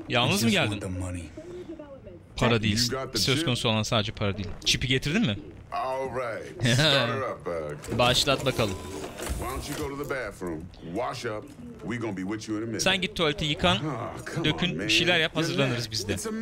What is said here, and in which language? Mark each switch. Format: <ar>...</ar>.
<tr>Yalnız mı geldin? Para değil. Söz konusu olan sadece para değil. Çipi getirdin mi?</tr> <en>All right. Start it up, bug.</en> <tr>Başlat bakalım.</tr> <en>Why don't you go to the bathroom, wash up. We gonna be with you in a minute.</en> <tr>Sen git tuvaleti yıkan, dökün, bir şeyler yap, hazırlanırız biz de.</tr>